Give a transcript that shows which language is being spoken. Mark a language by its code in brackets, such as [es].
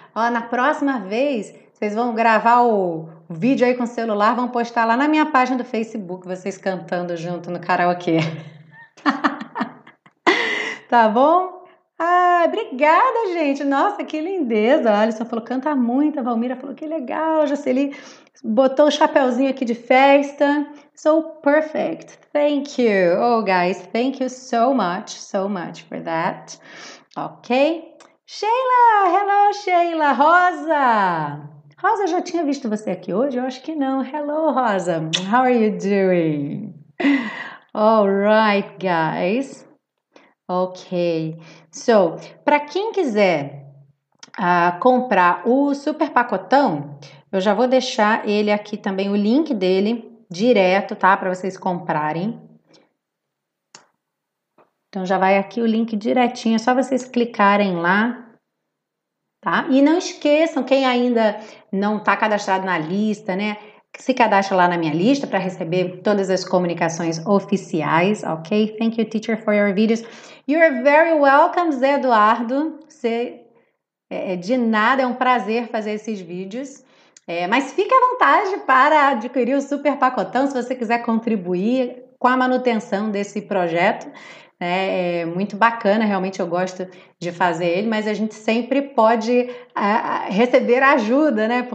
[pt] Ó, na próxima vez, vocês vão gravar o vídeo aí com o celular, vão postar lá na minha página do Facebook, vocês cantando junto no karaokê. Tá bom? Ah, obrigada, gente. Nossa, que lindeza. A Alisson falou, canta muito. A Valmira falou, que legal. A Jocely botou o chapéuzinho aqui de festa. [en] So perfect. Thank you. Oh, guys, thank you so much for that. Ok. Sheila, hello, Sheila. Rosa. [pt] Rosa, eu já tinha visto você aqui hoje? Eu acho que não. Hello, Rosa. [en] How are you doing? All right, guys. [pt] Ok, so, para quem quiser comprar o super pacotão, eu já vou deixar ele aqui também, o link dele, direto, tá? Para vocês comprarem. Então, já vai aqui o link direitinho, é só vocês clicarem lá, tá? E não esqueçam, quem ainda não tá cadastrado na lista, né? Se cadastra lá na minha lista para receber todas as comunicações oficiais, ok? [en] Thank you, teacher, for your videos. You're very welcome, Zé Eduardo. [pt] De nada, é um prazer fazer esses vídeos. Mas fique à vontade para adquirir o super pacotão se você quiser contribuir com a manutenção desse projeto. É muito bacana, realmente eu gosto de fazer ele, mas a gente sempre pode receber ajuda, né?